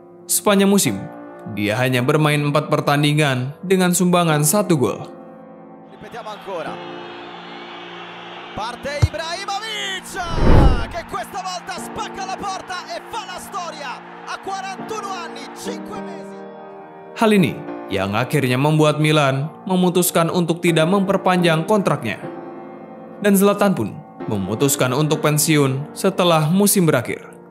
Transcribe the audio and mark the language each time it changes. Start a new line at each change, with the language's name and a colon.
Indonesian: Sepanjang musim, dia hanya bermain 4 pertandingan dengan sumbangan 1 gol.
Italian: Ripetiamo ancora. Parte Ibrahimovic, che questa volta spacca la porta e fa la storia a 41 anni, 5 mesi.
Indonesian: Hal ini yang akhirnya membuat Milan memutuskan untuk tidak memperpanjang kontraknya. Dan Zlatan pun memutuskan untuk pensiun setelah musim berakhir.